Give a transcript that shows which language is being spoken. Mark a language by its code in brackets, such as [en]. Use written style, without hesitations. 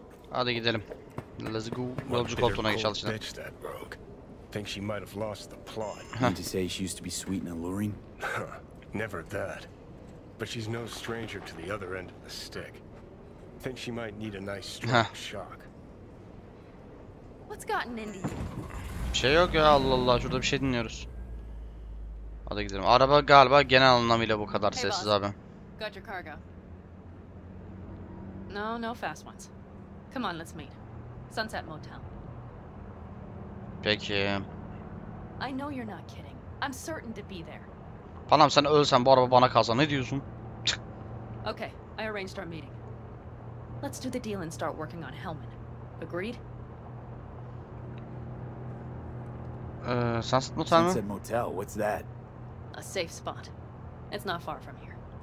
[tr] Hadi gidelim. [en] Let's go. [tr] Yolcu koltuğuna geç alışalım. [en] Think she might have lost the plot. Mean to say she used to be sweet and alluring? Never that. But she's no stranger to the other end of the stick. Think she might need a nice strong shock. What's gotten into you? [tr] Bir şey yok ya, Allah Allah, şurada bir şey dinliyoruz. Hadi gidelim. Araba galiba genel anlamıyla bu kadar sessiz abi. [en] No, no fast ones. Come on, let's meet. Sunset Motel. [tr] Peki. [en] I know you're not kidding. I'm certain to be there. [tr] Panam sen ölsen bu araba bana kalsa ne diyorsun? [en] Okay, I arranged our meeting. Let's do the deal and start working on Hellman. Agreed? [tr] Sunset Motel mi? [en] Sunset Motel, what's that? A safe spot. It's not far from here.